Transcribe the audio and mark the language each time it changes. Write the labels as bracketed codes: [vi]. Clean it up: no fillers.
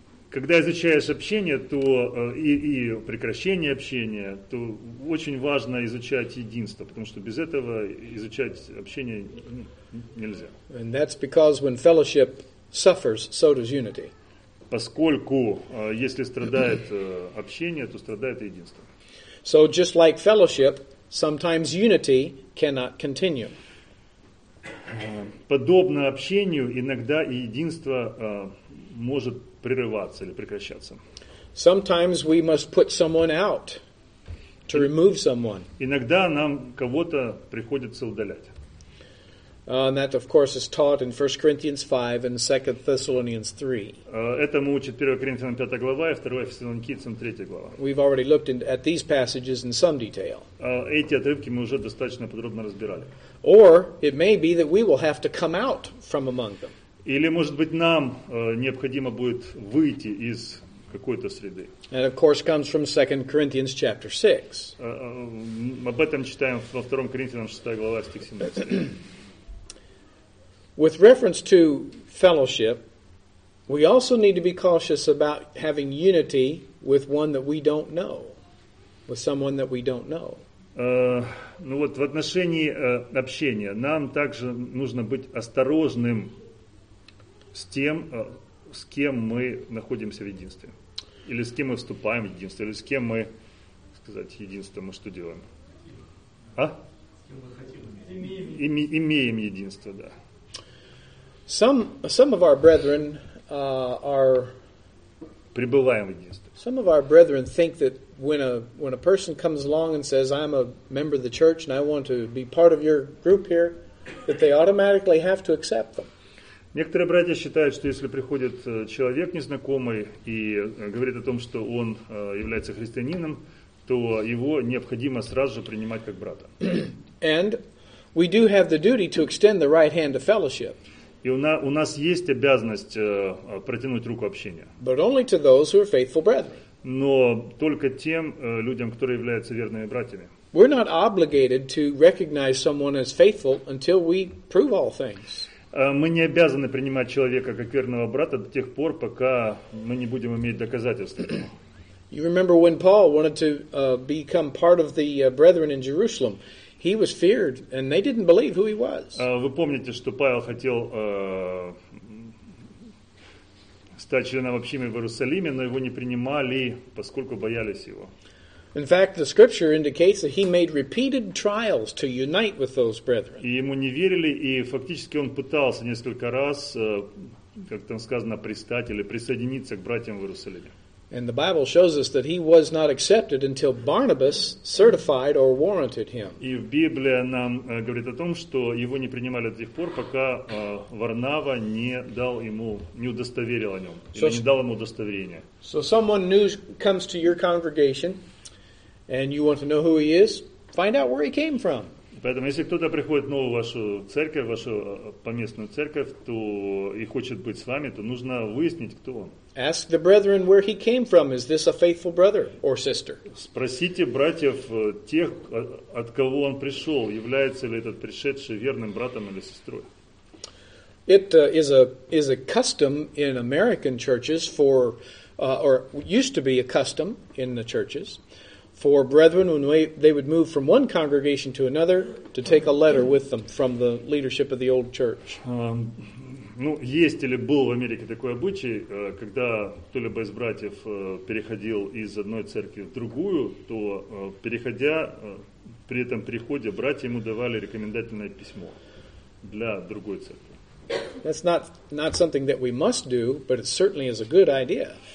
[ru] Когда изучаешь общение, то и прекращение общения, то очень важно изучать единство, потому что без этого изучать общение нельзя. [en] And that's because when fellowship suffers, so does unity. [ru] Поскольку если страдает общение, то страдает и единство. [en] So just like fellowship, sometimes unity cannot continue. [ru] Подобно общению, иногда и единство может прерываться или прекращаться. [en] Sometimes we must put someone out to remove someone. [ru] Иногда нам кого-то приходится удалять. [en] And that, of course, is taught in 1 Corinthians 5 and 2 Thessalonians 3. [ru] Этому учит 1 Коринфянам 5 глава и 2 Фессалоникийцам 3 глава. [en] We've already looked at these passages in some detail. [ru] Эти отрывки мы уже достаточно подробно разбирали. [en] Or it may be that we will have to come out from among them. [ru] Или, может быть, нам необходимо будет выйти из какой-то среды. [en] And of course comes from 2 Corinthians chapter 6. [ru] Об этом читаем во 2 Коринфянам 6 глава, стих 17. [en] With reference to fellowship, we also need to be cautious about having unity with one that we don't know, with someone that we don't know. [ru] Ну вот, в отношении общения нам также нужно быть осторожным с тем, с кем мы находимся в единстве. Или с кем мы вступаем в единство. Или с кем мы, сказать, единство, мы что делаем? А? Имеем единство, да. [en] Some of our brethren are... [ru] Пребываем в единстве. [en] Some of our brethren think that when a person comes along and says, I'm a member of the church and I want to be part of your group here, that they automatically have to accept them. [ru] Некоторые братья считают, что если приходит человек незнакомый и говорит о том, что он является христианином, то его необходимо сразу же принимать как брата. [en] And we do have the duty to extend the right hand of fellowship. [ru] И у нас есть обязанность протянуть руку общения. [en] But only to those who are faithful brethren. [ru] Но только тем людям, которые являются верными братьями. [en] We're not obligated to recognize someone as faithful until we prove all things. [ru] Мы не обязаны принимать человека как верного брата до тех пор, пока мы не будем иметь доказательств. [en] You remember when Paul wanted to become part of the brethren in Jerusalem, he was feared, and they didn't believe who he was. [ru] Вы помните, что Павел хотел стать членом общины в Иерусалиме, но его не принимали, поскольку боялись его. [en] In fact, the scripture indicates that he made repeated trials to unite with those brethren. [ru] И ему не верили, и фактически он пытался несколько раз, как там сказано, пристать или присоединиться к братьям в Иерусалиме. [en] And the Bible shows us that he was not accepted until Barnabas certified or warranted him. [ru] И Библия нам говорит о том, что его не принимали до тех пор, пока Варнава не дал ему, не удостоверил о нем, не дал ему удостоверение. [en] So someone new comes to your congregation, and you want to know who he is, find out where he came from. [ru] Поэтому, если кто-то приходит в новую вашу церковь, вашу поместную церковь, то и хочет быть с вами, то нужно выяснить, кто он. [en] Ask the brethren where he came from. Is this a faithful brother or sister? [ru] Спросите братьев тех, от кого он пришел, является ли этот пришедший верным братом или сестрой. [en] It is a custom in American churches for, or used to be a custom in the churches, for brethren, when they would move from one congregation to another, to take a letter with them from the leadership of the old church. [ru] Ну, есть или был в Америке такой обычай, когда кто-либо из братьев переходил из одной церкви в другую, то переходя, при этом переходе, братья ему давали рекомендательное письмо для другой церкви. [en] That's not something that we must do, but it certainly is a good idea.